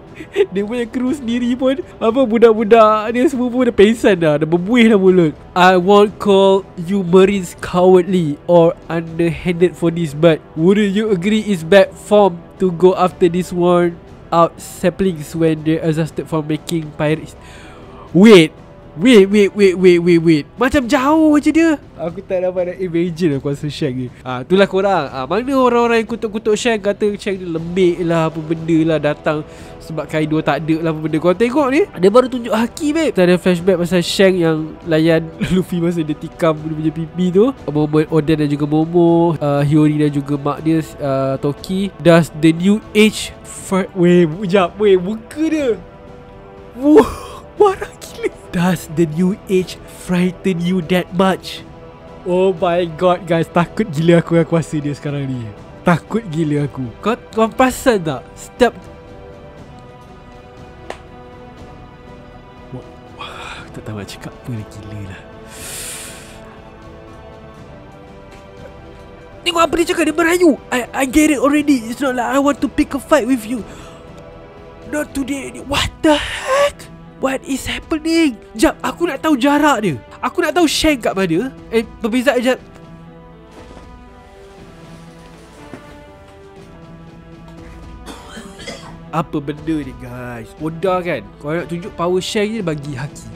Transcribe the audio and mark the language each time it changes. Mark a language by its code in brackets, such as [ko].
[ms] Dia punya kru sendiri pun, apa, budak-budak dia semua pun dah pensan dah, dah berbuih dah mulut. [en] I won't call you marines cowardly or underhanded for this, but wouldn't you agree it's bad form to go after these worn out saplings when they're exhausted from making pirates? Wait. [ms] Macam jauh je dia. Aku tak dapat nak imagine aku rasa Shang ni. Itulah korang. Mana orang-orang yang kutuk-kutuk Shang, kata Shang ni lembik lah apa benda lah, datang sebab Kaido tak ada lah apa benda. Korang tengok ni, dia baru tunjuk haki, babe. Kita ada flashback pasal Shang yang layan Luffy masa dia tikam dia punya pipi tu. Moment Oden dan juga Momo, Hiyori dan juga mak dia, Toki. [en] Does the new age fight? Wait, [ms] muka dia. Marah gila. [en] Does the new age frighten you that much? Oh my god guys, [ms] takut gila aku dengan kuasa dia sekarang ni. Takut gila aku. Kau perasan tak? Step. Wah, tak tahu nak cakap apa lah, gila lah. Tengok apa dia cakap, dia merayu. [en] I get it already. It's not like I want to pick a fight with you. Not today. What the heck? What is happening? [ms] Jap, aku nak tahu jarak dia. Aku nak tahu Shang kat mana. Berbeza je. Apa benda ni guys? Oda kan? Kalau nak tunjuk power Shang ni, bagi haki.